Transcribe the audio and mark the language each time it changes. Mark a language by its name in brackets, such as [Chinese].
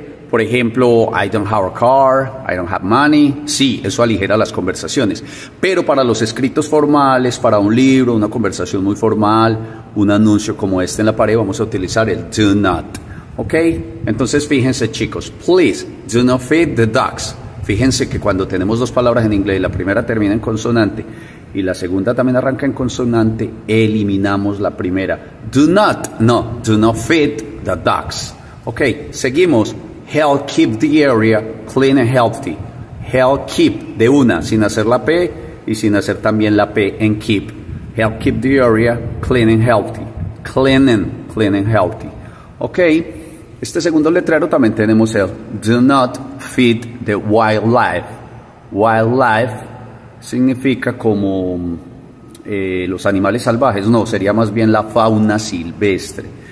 [Spanish] Por ejemplo, [English] I don't have a car, I don't have money. [Spanish] Sí, eso aligera las conversaciones. Pero para los escritos formales, para un libro, una conversación muy formal, un anuncio como este en la pared, vamos a utilizar el do not. [English] Ok, [Spanish] entonces fíjense chicos, [English] please do not feed the ducks. [Spanish] Fíjense que cuando tenemos dos palabras en inglés y la primera termina en consonante y la segunda también arranca en consonante, eliminamos la primera. [English] Do not, no, do not feed the ducks. Ok, seguimos. Help keep the area clean and healthy. [Spanish] Help keep de una, sin hacer la P y sin hacer también la P en keep. [English] Help keep the area clean and healthy. Clean and healthy. [Spanish] Ok, este segundo letrero también tenemos el [English] Do not feed the wildlife. [Spanish] Wildlife significa como los animales salvajes, no, sería más bien la fauna silvestre.